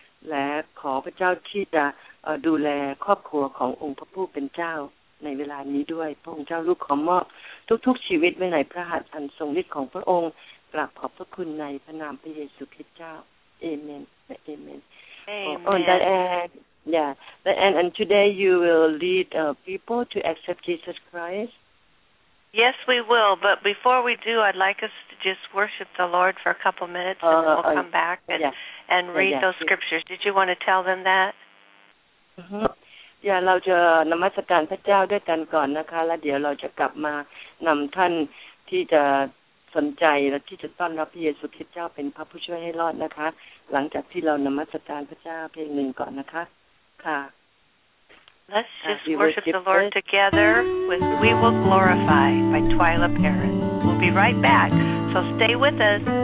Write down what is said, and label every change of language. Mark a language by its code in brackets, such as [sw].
[th] และขอพระเจ้าที่จะดูแลครอบครัวขององค์พระผู้เป็นเจ้าในเวลานี้ด้วยพระองค์เจ้าลูกขอมอบทุกๆชีวิตไว้ในพระหัตถ์อันทรงฤทธิ์ของพระองค์กราบขอบพระคุณในพระนามพระเยซูคริสต์เจ้าเอเมนและเอเมน โอ้ ได้แอนยาได้แอน [en] and today you will lead people to accept Jesus Christ yes we will but before we do I'd like us to just worship the Lord for a couple minutes and then we'll come back and and read those scriptures did you want to tell them that [th] อย่าเราจะนมัสการพระเจ้าด้วยกันก่อนนะคะแล้วเดี๋ยวเราจะกลับมานำท่านที่จะสนใจและที่จะต้อนรับพระเยซูคริสต์เจ้าเป็นพระผู้ช่วยให้รอดนะคะหลังจากที่เรานมัสการพระเจ้าเพียงหนึ่งก่อนนะคะค่ะ [en] Let's just worship the Lord together with We Will Glorify by Twyla Perrin. We'll be right back, so stay with us.